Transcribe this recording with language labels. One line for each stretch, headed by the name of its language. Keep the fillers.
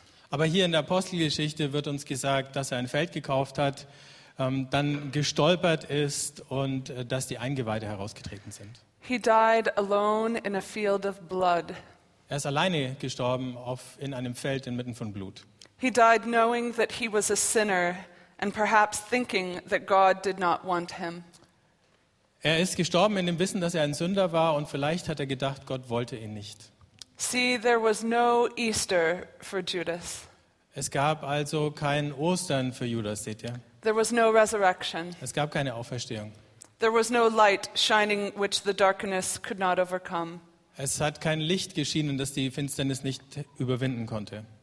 German: Aber hier in der wird uns gesagt, dass er ein Feld gekauft hat, ähm, dann gestolpert ist und äh, dass die Eingeweide herausgetreten sind.
English: He died alone in a field of blood.
German: Er ist alleine gestorben in einem Feld inmitten von Blut.
English: He died knowing that he was a sinner and perhaps thinking that God did not want him.
German: Er ist gestorben in dem Wissen, dass er ein Sünder war und vielleicht hat er gedacht, Gott wollte ihn nicht.
English: See, there was no Easter for Judas.
German: Es gab also kein Ostern für Judas, seht ihr?
English: There was no resurrection.
German: Es gab keine Auferstehung.
English: There was no light shining which the darkness could not overcome.
German: Es hat kein Licht geschienen, das die Finsternis nicht überwinden konnte.